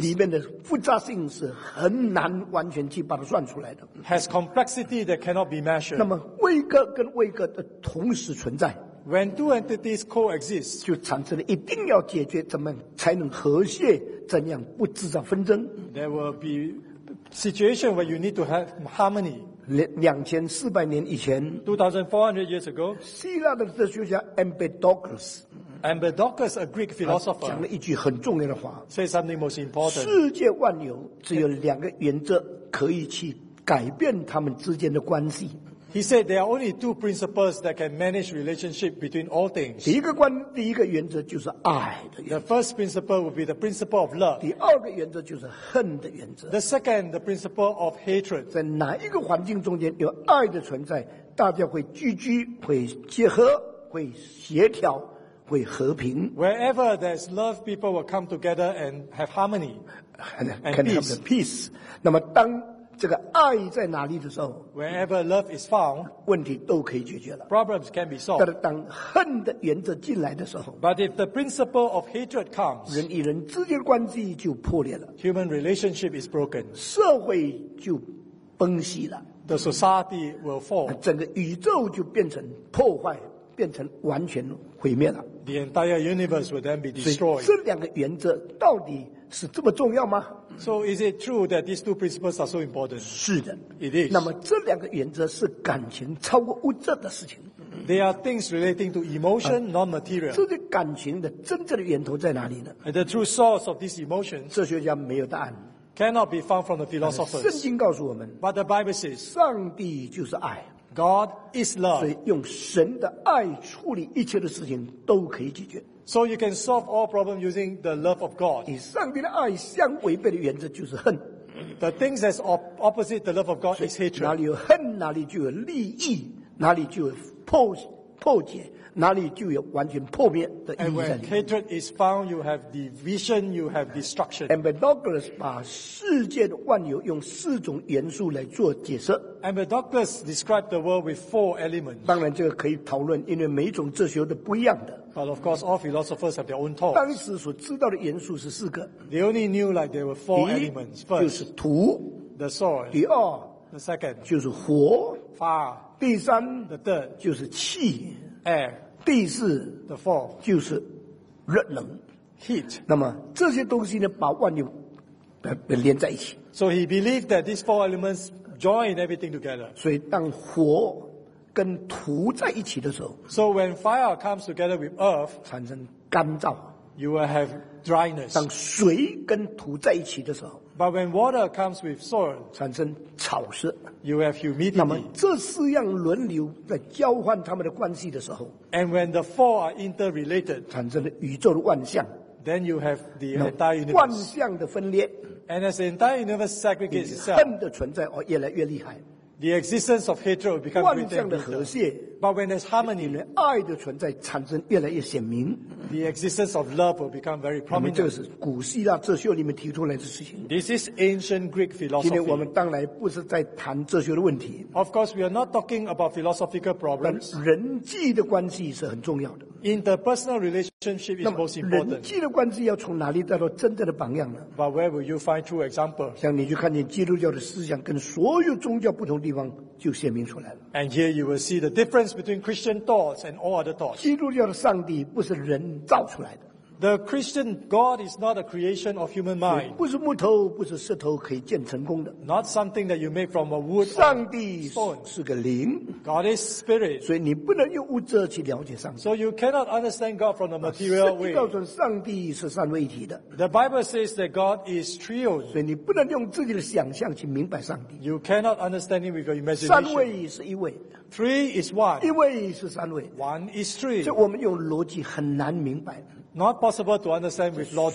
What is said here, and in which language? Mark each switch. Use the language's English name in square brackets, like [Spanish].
[Chinese] 里面的复杂性是很难完全去把它算出来的。 [English] Has complexity that cannot be measured. [Chinese] 那么位格跟位格的同时存在。 [English] When two entities coexist, [Chinese] 就产生了一定要解决怎么才能和谐，怎样不制造纷争。 [English] There will be situation where you need to have harmony. [Chinese] 2400年以前 [English] 2400 years ago, [Chinese] 希腊的哲学家 Empedocles, [English] Empedocles, a Greek philosopher, [Chinese] 讲了一句很重要的话 [English] said something most important. [Chinese] 世界万有只有两个原则可以去改变他们之间的关系。 [English] He said there are only two principles that can manage relationship between all things. [Chinese] 第一个原则就是爱的原则。 [English] The first principle would be the principle of love. [Chinese] 第二个原则就是恨的原则。 [English] The second, the principle of hatred. [Chinese] 在哪一个环境中间有爱的存在，大家会聚居，会结合，会协调，会和平。 [English] Wherever there's love, people will come together and have harmony. And can have the peace. [Chinese] 那么当这个爱在哪里的时候 [English] ，Wherever love is found， [Chinese] 问题都可以解决了。 [English] Problems can be solved。 [Chinese] 但是当恨的原则进来的时候 [English] ，But if the principle of hatred comes， [Chinese] 人与人之间的关系就破裂了。 [English] Human relationship is broken， [Chinese] 社会就崩析了。 [English] The society will fall， [Chinese] 整个宇宙就变成破坏，变成完全毁灭了。 [English] The entire universe will then be destroyed。 [Chinese] 这两个原则到底是这么重要吗？ [English] So is it true that these two principles are so important? [Chinese] 是的 [English] ，it is. [Chinese] 那么这两个原则是感情超过物质的事情。 [English] They are things relating to emotion, not material. [Chinese] 这个感情的真正的源头在哪里呢 [English] ？The true source of these emotions. [Chinese] 哲学家没有答案。 [English] Cannot be found from the philosophers. [Chinese] 圣经告诉我们 [English] ，But the Bible says, [Chinese] 上帝就是爱。 [English] God is love. [Chinese] 所以用神的爱处理一切的事情都可以解决。 [English] So you can solve all problems using the love of God. [Chinese] 与上帝的爱相违背的原则就是恨。 [English] The things that's opposite the love of God is hatred. [Chinese] 哪里有恨，哪里就有利益，哪里就有破解，哪里就有完全破灭的意义在里面。 [English] And when hatred is found, you have division, you have destruction. [Chinese] Empedocles 把世界的万有用四种元素来做解释。 [English] Empedocles described the world with four elements. [Chinese] 当然这个可以讨论，因为每一种哲学都不一样的。 [English] But of course, all philosophers have their own thoughts. [Chinese] 当时所知道的元素是四个。 [English] They only knew like there were four elements. First, [Chinese] 就是土 [English] the soil. [Chinese] 第二 [English] the second, [Chinese] 就是火 [English] fire. [Chinese] 第三 [English] the third, [Chinese] 就是气 [English] air. [Chinese] 第四 [English] the fourth, [Chinese] 就是热能 [English] heat. [Chinese] 那么这些东西呢，把万有连在一起。 [English] So he believed that these four elements join everything together. [Chinese] 所以当火跟土在一起的时候 [English] ，So when fire comes together with earth， [Chinese] 产生干燥 [English] ，You will have dryness。 [Chinese] 当水跟土在一起的时候 [English] But when water comes with soil, [Chinese] 产生草湿 [English] you have humidity. [Chinese] 那么这四样轮流在交换他们的关系的时候 [English] and when the four are interrelated, [Chinese] 产生了宇宙的万象 [English] then you have the entire universe. [Chinese] 万象的分裂 [English] and as the entire universe segregates itself, [Chinese] 恨的存在越来越厉害 [English] the existence of hatred will become greater. [Chinese] 万象的和谐 [English] but when there's harmony, [Chinese] 爱的存在产生越来越显明 [English] the existence of love will become very prominent. [Chinese] 这是古希腊哲学里面提出来的事情 [English] This is ancient Greek philosophy. [Chinese] 今天我们当然不是在谈哲学的问题 [English] Of course, we are not talking about philosophical problems. [Chinese] 但人际的关系是很重要的 [English] Interpersonal relationship is most important. [Chinese] 人际的关系要从哪里带到真正的榜样呢 [English] But where will you find true example? [Chinese] 像你就看见基督教的思想跟所有宗教不同地方就显明出来了 [English] And here you will see the difference between Christian thoughts and all other thoughts. [Chinese] 基督教的上帝不是人造出来的 [English] The Christian God is not a creation of human mind. [Chinese] 不是木头不是石头可以建成功的 [English] Not something that you make from a wood or stone. [Chinese] 上帝是个灵 [English] God is spirit. [Chinese] 所以你不能用物质去了解上帝 [English] So you cannot understand God from a material way. [Chinese] 圣经告诉上帝是三位一体的 [English] The Bible says that God is trio. [Chinese] 所以你不能用自己的想象去明白上帝 [English] You cannot understand it with your imagination. [Chinese] 三位是一位 [English] Three is one. [Chinese] 一位是三位 [English] One is three. [Chinese] 所以我们用逻辑很难明白 [English] Not possible to understand with logic.